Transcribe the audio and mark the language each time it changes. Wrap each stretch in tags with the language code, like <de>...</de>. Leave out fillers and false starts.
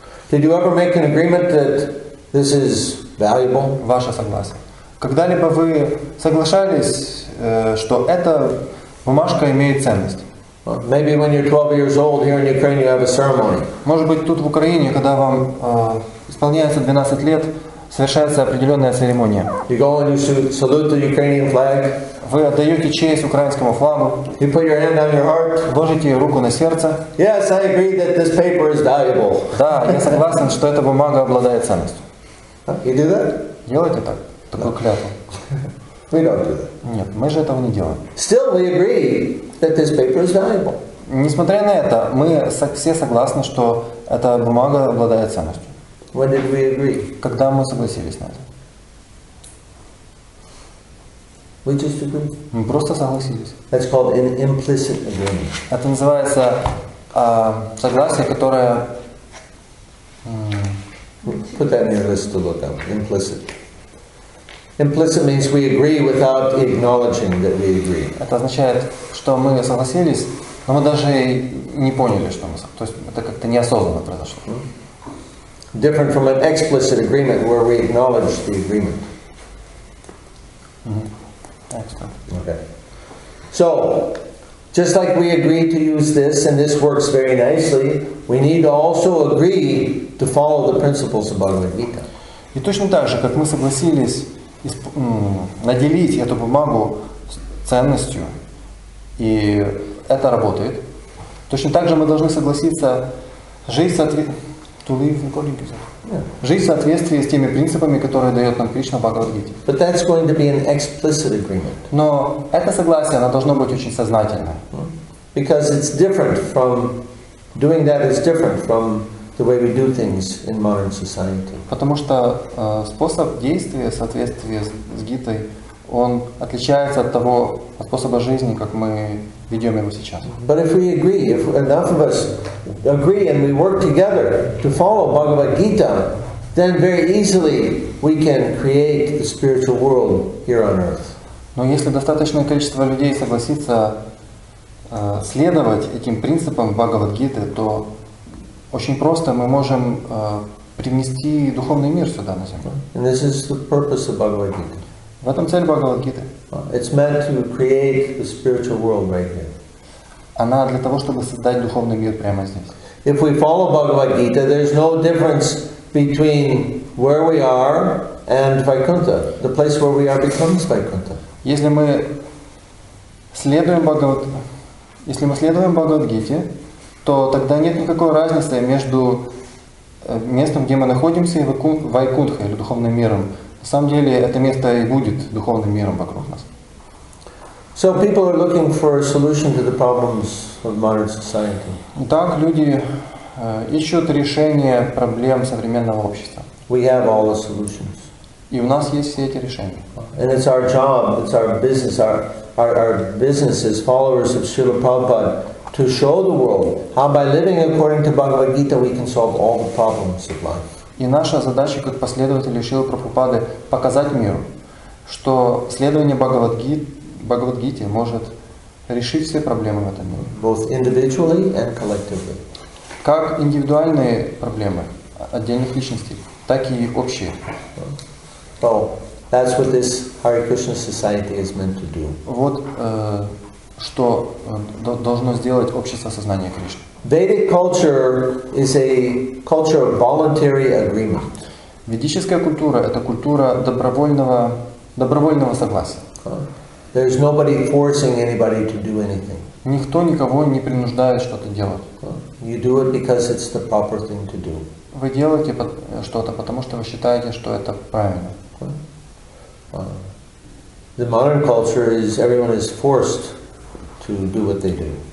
<en>Did you ever make an agreement that this is valuable?</en> <ru>Ваше согласие. Когда-либо вы соглашались, что эта бумажка имеет ценность?</ru> <en>Maybe when you're 12 years old here in Ukraine you have a ceremony.</en> <ru>Может быть, тут в Украине, когда вам исполняется 12 лет, совершается определенная церемония.</ru> <en>You go and you salute the Ukrainian flag.</en> <ru>Вы отдаете честь украинскому флагу.</ru> <en>You put your hand on your heart.</en> <ru>Ложите руку на сердце.</ru> <en>Yes, I agree that this paper is valuable.</en> <ru>Да, я согласен, что эта бумага обладает ценностью.</ru> <en>You do that?</en> <ru>Делаете так? Такую клятву.</ru> <en>We don't do that.</en> <ru>Нет, мы же этого не делаем.</ru> <en>Still, we agree that this paper is valuable.</en> <ru>Несмотря на это, мы все согласны, что эта бумага обладает ценностью.</ru> <en>When did we agree?</en> <ru>Когда мы согласились на это?</ru> <en>We just agreed.</en> <ru>Мы просто согласились.</ru> <en>That's called an implicit agreement.</en> <ru>Это называется согласие, которое...</ru> <en>Put that in your list to look up. Implicit. Implicit means we agree without acknowledging that we agree.</en> <ru>Это означает, что мы согласились, но мы даже и не поняли, что мы согласились. То есть это как-то неосознанно произошло. Mm-hmm.</ru> <en>Different from an explicit agreement where we acknowledge the agreement. Mm-hmm. Okay. So, just like we agree to use this and this works very nicely, we need to also agree to follow the principles of Bhagavad Gita.</en> <ru>И точно так же, как мы согласились наделить эту бумагу ценностью, и это работает, точно так же мы должны согласиться жить в соответствии с теми принципами, которые дает нам Кришна Бхагавад Гите.</ru> <en>But that's going to be an explicit agreement.</en> <ru>Но это согласие, оно должно быть очень сознательное.</ru> <en>Because it's different from doing that is different from the way we do things in modern society.</en> <ru>Потому что способ действия в соответствии с Гитой, он отличается от того от способа жизни, как мы ведем его сейчас.</ru> <en>But if we agree, if enough of us agree and we work together to follow Bhagavad Gita, then very easily we can create the spiritual world here on earth.</en> <ru>Но если достаточное количество людей согласится следовать этим принципам Бхагавад Гиты, то очень просто мы можем привнести духовный мир сюда на землю.</ru> <en>And this is the purpose of Bhagavad Gita.</en> <ru>В этом цель Бхагавад Гиты.</ru> <en>It's meant to create the spiritual world right here.</en> <ru>Она для того, чтобы создать духовный мир прямо здесь.</ru> <en>If we follow Bhagavad Gita, there's no difference between where we are and Vaikuntha. The place where we are becomes Vaikuntha.</en> <ru>Если мы следуем Бхагавад Гите, то тогда нет никакой разницы между местом, где мы находимся, и Вайкунтхой, или духовным миром. На самом деле, это место и будет духовным миром вокруг нас.</ru> <en>So people are looking for a solution to the problems of modern society.</en> <ru>Итак, люди ищут решение проблем современного общества.</ru> <en>We have all the solutions.</en> <ru>И у нас есть все эти решения.</ru> <en>And it's our job, it's our business, our business as followers of Srila Prabhupada to show the world how by living according to Bhagavad Gita we can solve all the problems of life.</en> <ru>И наша задача, как последователей Шрилы Прабхупады, показать миру, что следование Бхагавад-гите может решить все проблемы в этом мире.</ru> <en>Both individually and collectively.</en> <ru>Как индивидуальные проблемы отдельных личностей, так и общие.</ru> <en>Well, that's what this Hare Krishna Society is meant to do.</en> <ru>Вот что должно сделать общество сознания Кришны.</ru> <en>Vedic culture is a culture of voluntary agreement.</en> <ru>Ведическая культура — это культура добровольного согласия.</ru> <en>There's nobody forcing anybody to do anything.</en> <ru>Никто никого не принуждает что-то делать.</ru> <en>You do it because it's the proper thing to do.</en> <ru>Вы делаете что-то, потому что вы считаете, что это правильно.</ru> <en>The modern culture is everyone is forced to do what they do.</en>